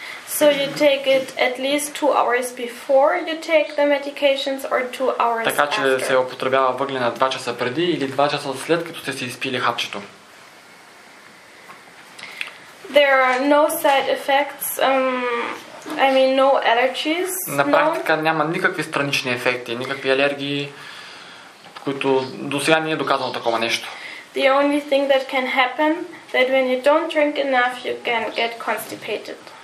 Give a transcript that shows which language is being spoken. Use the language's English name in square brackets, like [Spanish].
[English] So you take it at least 2 hours before you take the medications or 2 hours after. [Bulgarian] Така че се употребява въглена 2 часа преди или 2 часа след като сте си изпили хапчето. [English] There are no side effects. No allergies. [Bulgarian] На практика няма никакви странични ефекти, никакви алергии, които до сега не е доказано такова нещо. [English] The only thing that can happen that when you don't drink enough you can get constipated.